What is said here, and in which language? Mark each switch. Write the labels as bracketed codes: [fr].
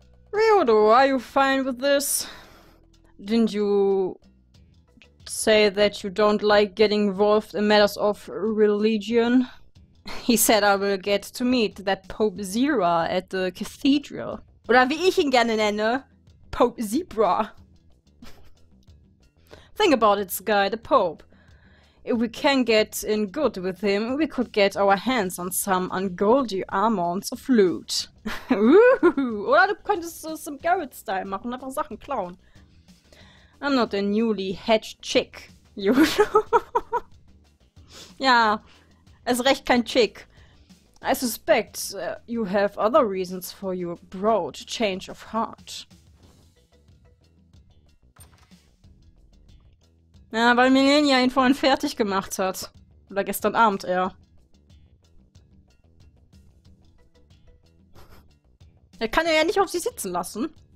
[en] Ryudo, are you fine with this? Didn't you say that you don't like getting involved in matters of religion? He said I will get to meet that Pope Zira at the cathedral. [de] Oder wie ich ihn gerne nenne, Pope Zebra. [en] Think about it, Sky, the Pope. If we can get in good with him, we could get our hands on some ungoldy amounts of loot. [de] Oder du könntest so some Garrett-Style machen und einfach Sachen klauen. [en] I'm not a newly hatched chick, you know. [de] Ja, es recht kein Chick. [en] I suspect you have other reasons for your broad change of heart. [de] Ja, weil Millenia ihn vorhin fertig gemacht hat. Oder gestern Abend eher. Er kann ja nicht auf sie sitzen lassen.